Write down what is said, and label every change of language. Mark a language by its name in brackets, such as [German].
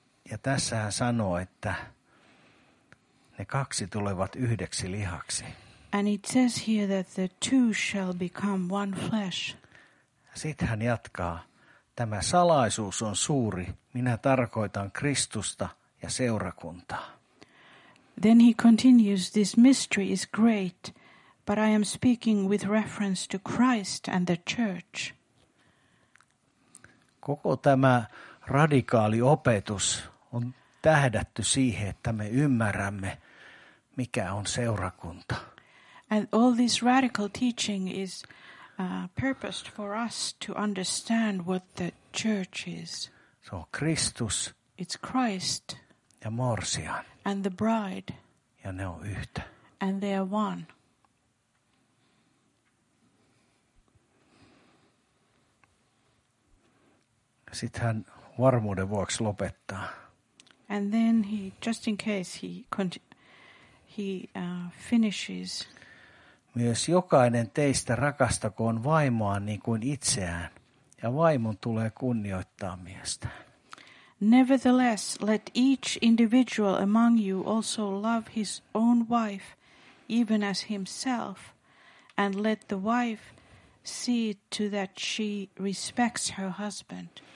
[Finnish] Ja tässä hän sanoo, että ne kaksi tulevat yhdeksi lihaksi. [English] And it says here that the two shall become one flesh. [Finnish] Sitten hän jatkaa. Tämä salaisuus on suuri. Minä tarkoitan Kristusta ja seurakuntaa. [English] Then he continues, this mystery is great. But I am speaking with reference to Christ and the church. [Finnish] Koko tämä radikaali opetus on tähdätty siihen, että me ymmärrämme, mikä on seurakunta. [English] And all this radical teaching is purposed for us to understand what the church is. [Finnish] Se on Kristus. [English] It's Christ. [Finnish] Ja morsian. [English] And the bride. [Finnish] Ja ne on yhtä. [English] And they are one. [Finnish] Sitten hän varmuuden vuoksi lopettaa. [English] And then he, just in case, he finishes. [Finnish] Myös jokainen teistä rakastakoon vaimoaan niin kuin itseään, ja vaimon tulee kunnioittaa miestä. [English] Nevertheless, let each individual among you also love his own wife, even as himself, and let the wife see to that she respects her husband.